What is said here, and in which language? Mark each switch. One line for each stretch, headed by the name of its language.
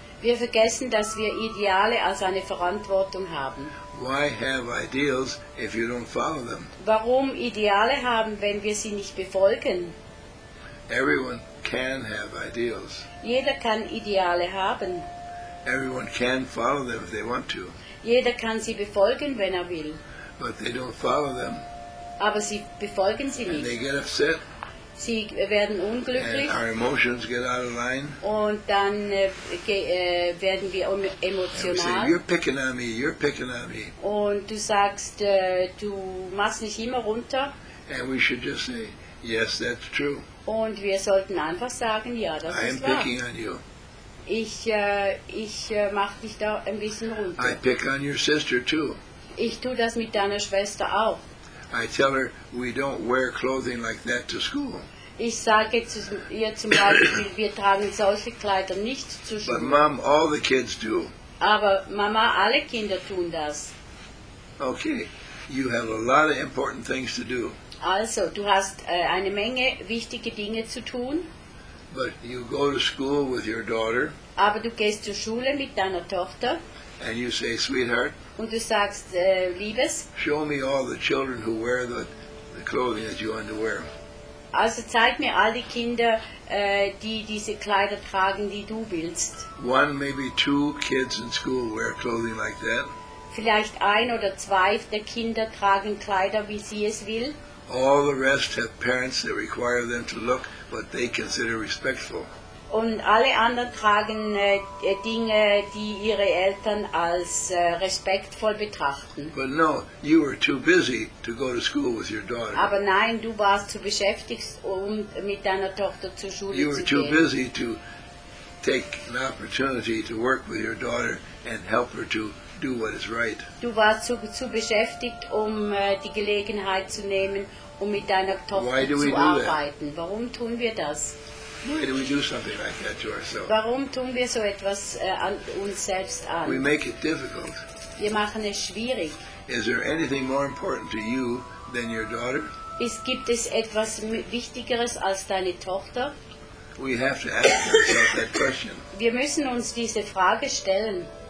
German: Wir vergessen, dass wir Ideale als eine Verantwortung haben.
English: Why have ideals if you don't follow them?
German: Warum Ideale haben, wenn wir sie nicht befolgen?
English: Everyone can have ideals.
German: Jeder kann Ideale haben.
English: Everyone can follow them if they want to.
German: Jeder kann sie befolgen, wenn er will.
English: But they don't follow them.
German: Aber sie befolgen sie nicht.
English: And they get upset.
German: Sie werden unglücklich.
English: And our emotions get out of line.
German: Und dann werden wir emotional.
English: And we say, you're picking on me, you're picking on me.
German: Und du sagst, du machst mich immer runter.
English: And we should just say, yes, that's true.
German: Und wir sollten einfach sagen, ja, das ist wahr.
English: I am picking on you.
German: Ich mach dich da ein bisschen runter.
English: I pick on your sister too.
German: Ich tue das mit deiner Schwester auch.
English: I tell her we don't wear clothing like that to school.
German: Ich sage zu ihr zum Beispiel, wir tragen solche Kleider nicht zur Schule.
English: But Mom, all the kids do.
German: Aber Mama, alle Kinder tun das.
English: Okay, you have a lot of important things to do.
German: Also, du hast eine Menge wichtige Dinge zu tun.
English: But you go to school with your daughter.
German: Aber du gehst zur Schule mit deiner Tochter.
English: And you say, sweetheart.
German: Und du sagst, Liebes.
English: Show me all the children who wear the clothing that you want to wear.
German: Also zeig mir all die Kinder, die diese Kleider tragen, die du willst.
English: One, maybe two kids in school wear clothing like that.
German: Vielleicht ein oder zwei der Kinder tragen Kleider, wie sie es will.
English: All the rest have parents that require them to look what they consider respectful.
German: Und alle anderen tragen Dinge, die ihre Eltern als respektvoll betrachten.
English: But no, you were too busy to go to school with your daughter.
German: Aber nein, du warst zu beschäftigt, um mit deiner Tochter zur Schule zu gehen.
English: You were too busy to take an opportunity to work with your daughter and help her to do what is right.
German: Du warst zu beschäftigt, um die Gelegenheit zu nehmen, um mit deiner Tochter zu arbeiten. Warum tun wir das?
English: Why do we do something like that to ourselves?
German: Warum tun wir so etwas an uns selbst an?
English: We make it difficult.
German: Wir machen es schwierig.
English: Is there anything more important to you than your daughter?
German: Gibt es etwas Wichtigeres als deine Tochter?
English: We have to ask ourselves that question.
German: Wir müssen uns diese Frage stellen.